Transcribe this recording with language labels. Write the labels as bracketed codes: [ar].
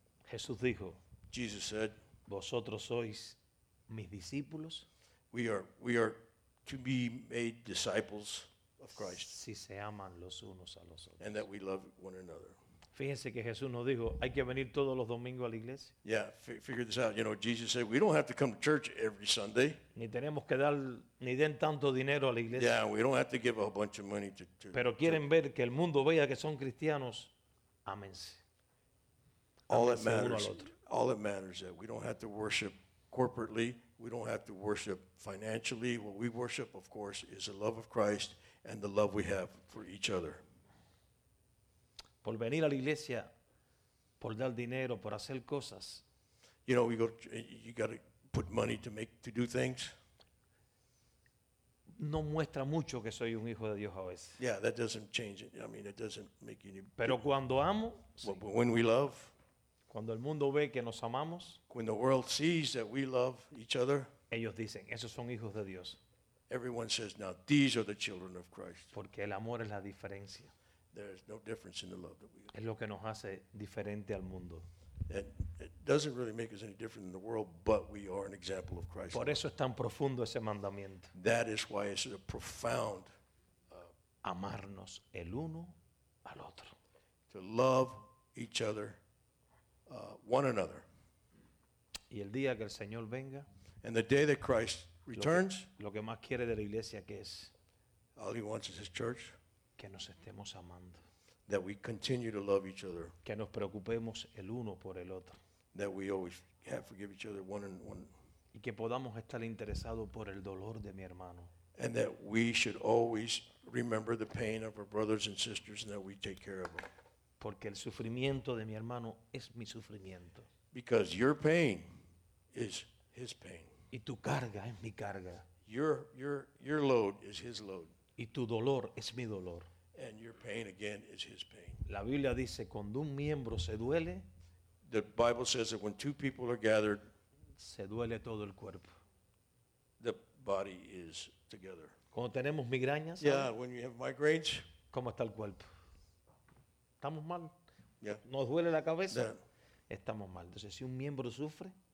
[es] Jesús dijo. [en] Jesus said. [es] Vosotros sois mis discípulos. [en] We are to be made disciples of Christ. [es] Si se aman los unos a los otros. [en] And that we love one another. [es] Fíjense que Jesús nos dijo, hay que venir todos los domingos a la iglesia. [en] Yeah, figure this out. You know, Jesus said, we don't have to come to church every Sunday. [es] Ni tenemos que dar, ni den tanto dinero a la iglesia. [en] Yeah, we don't have to give a bunch of money to [es] pero quieren ver que el mundo vea que son cristianos. Amense. [en] All that matters is that we don't have to worship corporately. We don't have to worship financially. What we worship, of course, is the love of Christ and the love we have for each other. [es] Por venir a la iglesia, por dar dinero, por hacer cosas. [en] You know, you got to put money to do things. [es] No muestra mucho que soy un hijo de Dios a veces. [en] Yeah, that doesn't change it. I mean, it doesn't make you. [es] Pero cuando amo, [en] but when we love. [es] Cuando el mundo ve que nos amamos, [en] when the world sees that we love each other, [es] ellos dicen, esos son hijos de Dios. [en] Everyone says, now these are the children of Christ. [es] Porque el amor es la diferencia. [en] There's no difference in the love that we have. [es] Es lo que nos hace diferente al mundo. [en] It doesn't really make us any different in the world, but we are an example of Christ. [es] Por eso es tan profundo ese mandamiento. [en] That is why it's a profound. [es] Amarnos el uno al otro. [en] To love each other. One another. [es] Y el día que el Señor venga, [en] and the day that Christ returns, [es] lo que más quiere de la iglesia que es, [en] all he wants is his church, [es] que nos estemos amando, [en] that we continue to love each other, [es] que nos preocupemos el uno por el otro, [en] that we always have forgive each other one and one, [es] y que podamos estar interesados por el dolor de mi hermano, [en] and that we should always remember the pain of our brothers and sisters and that we take care of them. [es] Porque el sufrimiento de mi hermano es mi sufrimiento. [en] Because your pain is his pain. [es] Y tu carga es mi carga. [en] Your load is his load. [es] Y tu dolor es mi dolor. [en] And your pain again is his pain. [es] La Biblia dice cuando un miembro se duele, [en] the Bible says that when two people are gathered, [es] se duele todo el cuerpo. [en] The body is together. [es] Cuando tenemos migrañas, ¿sabes? [en] Yeah, when you have migraines, [es] ¿cómo está el cuerpo? ¿Estamos mal? [en] Yeah. [es] ¿Nos duele la cabeza? Yeah. Estamos mal. Entonces, si un miembro sufre,